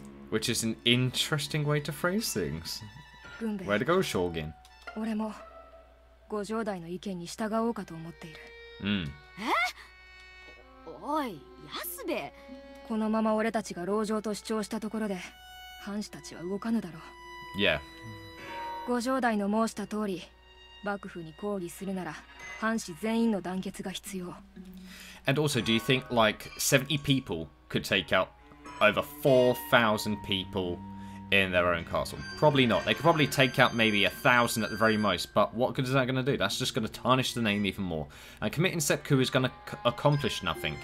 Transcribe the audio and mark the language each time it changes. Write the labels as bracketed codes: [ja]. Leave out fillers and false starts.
[en] Which is an interesting way to phrase things. Way to go, Shogun. I'm going to follow the opinion of the Gojoudai. [ja] おい、ヤスベ。このまま俺たちが牢城と主張したところで、藩士たちは動かぬだろう。 [en] Yeah. [ja] 五城代の申した通り、幕府に抗議するなら、藩士全員の団結が必要。 [en] And also, do you think like 70 people could take out over 4,000 people in their own castle? Probably not. They could probably take out maybe 1,000 at the very most, but what good is that going to do? That's just going to tarnish the name even more. And committing seppuku is going to accomplish nothing.